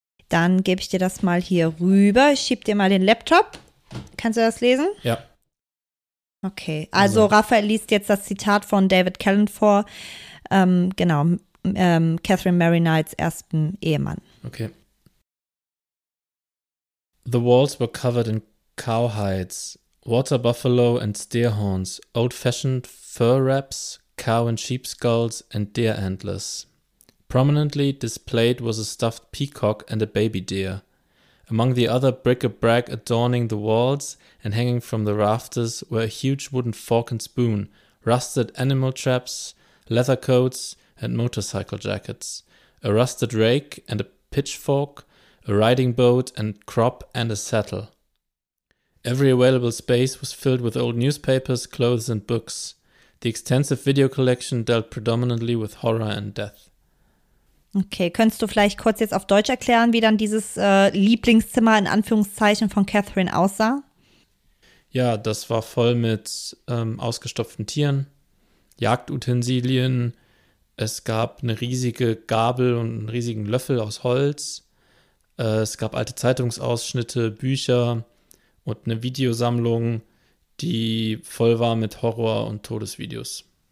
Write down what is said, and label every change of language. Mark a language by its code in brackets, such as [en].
[de] Dann gebe ich dir das mal hier rüber. Ich schieb dir mal den Laptop. Kannst du das lesen? Ja. Okay, also Raphael liest jetzt das Zitat von David Callan vor. Catherine Mary Knights ersten Ehemann. Okay. [en] The walls were covered in cow hides, water buffalo and deer horns, old-fashioned fur wraps, cow and sheep skulls and deer antlers. Prominently displayed was a stuffed peacock and a baby deer. Among the other bric-a-brac adorning the walls and hanging from the rafters were a huge wooden fork and spoon, rusted animal traps, leather coats and motorcycle jackets, a rusted rake and a pitchfork, a riding boat and crop and a saddle. Every available space was filled with old newspapers, clothes and books. The extensive video collection dealt predominantly with horror and death. [de] Okay, könntest du vielleicht kurz jetzt auf Deutsch erklären, wie dann dieses Lieblingszimmer in Anführungszeichen von Catherine aussah? Ja, das war voll mit ausgestopften Tieren, Jagdutensilien, es gab eine riesige Gabel und einen riesigen Löffel aus Holz, es gab alte Zeitungsausschnitte, Bücher und eine Videosammlung, die voll war mit Horror- und Todesvideos.